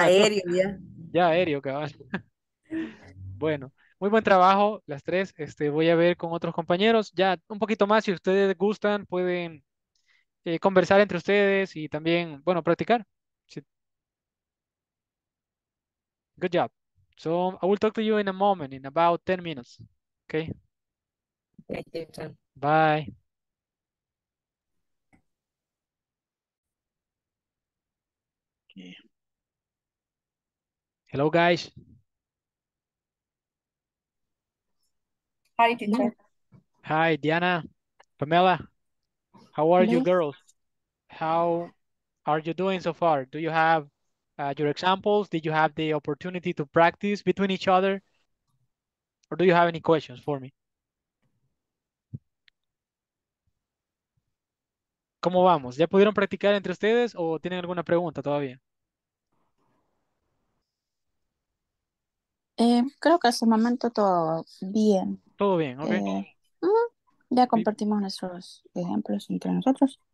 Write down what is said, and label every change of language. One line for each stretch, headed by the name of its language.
Spanish: Aéreo ya. Ya aéreo, cabrón. Bueno, muy buen trabajo, las tres. Voy a ver con otros compañeros. Ya un poquito más, si ustedes gustan, pueden conversar entre ustedes y también, bueno, practicar. Sí.
English: Good job. So, I will talk to you in a moment, in about 10 minutes. Okay.
Spanish: Gracias.
English: Bye. Okay. Hello, guys. Hi, teacher. Hi, Diana, Pamela. How are you, Hello. girls? How are you doing so far? Do you have your examples? Did you have the opportunity to practice between each other? Or do you have any questions for me?
Spanish: ¿Cómo vamos? ¿Ya pudieron practicar entre ustedes o tienen alguna pregunta todavía? Creo que hasta el momento todo bien. Todo bien, ok. Ya compartimos nuestros ejemplos entre nosotros.